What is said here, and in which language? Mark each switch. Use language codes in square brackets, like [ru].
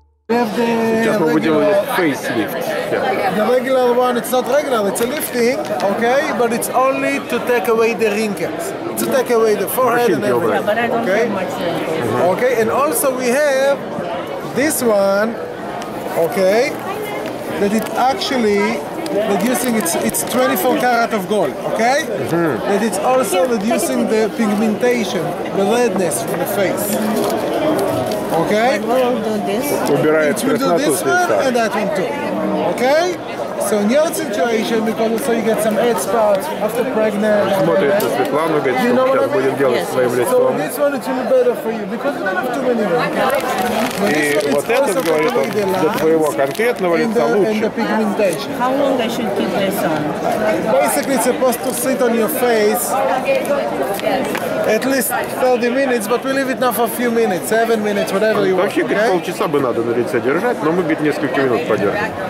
[ru] Сейчас мы будем делать фейслифт. [en] The regular one, it's not regular, it's a lifting, okay? But it's only to take away the wrinkles, to take away the forehead and everything, okay? Okay, and also we have this one, okay? That it actually reducing, it's 24 karat of gold, okay? That it's also reducing the pigmentation, the redness from the face. Okay? [ru] Убирает краснотуз. [en] We'll do this one and that one too. Okay? So in your situation, because also you get some head spots after pregnant. [ru] Смотрит на Светлану, говорит, что мы сейчас будем делать с своим лицом. [en] So this one is really better for you, because you don't have too many wrinkles. [ru] И вот этот, говорит он, для твоего конкретного лица лучше. [en] How long I should keep this on? Basically, it's supposed to sit on your face at least 30 minutes, but we leave it now for a few minutes, 7 minutes, whatever you want, okay? [ru] Полчаса бы надо на лице держать, но мы бы несколько минут подержим.